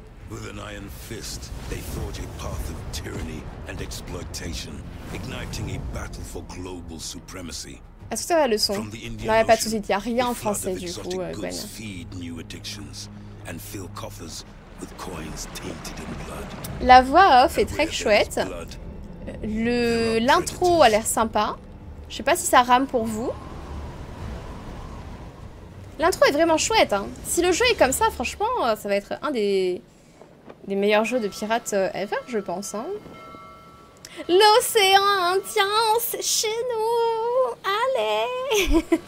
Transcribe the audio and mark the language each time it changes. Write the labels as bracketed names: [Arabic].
[English] With an iron fist, they forge a path of tyranny and exploitation, igniting a battle for global supremacy. [French] Est-ce que ça va le son? Non, il n'y a pas de soucis, il n'y a rien en français du coup, Gwen. [English] Feed new addictions and fill coffers with coins tainted in blood. [French] La voix off est très chouette. L'intro a l'air sympa. Je sais pas si ça rame pour vous. L'intro est vraiment chouette, hein. Si le jeu est comme ça, franchement, ça va être un des... Des meilleurs jeux de pirates ever, je pense. Hein. L'océan Indien, c'est chez nous! Allez!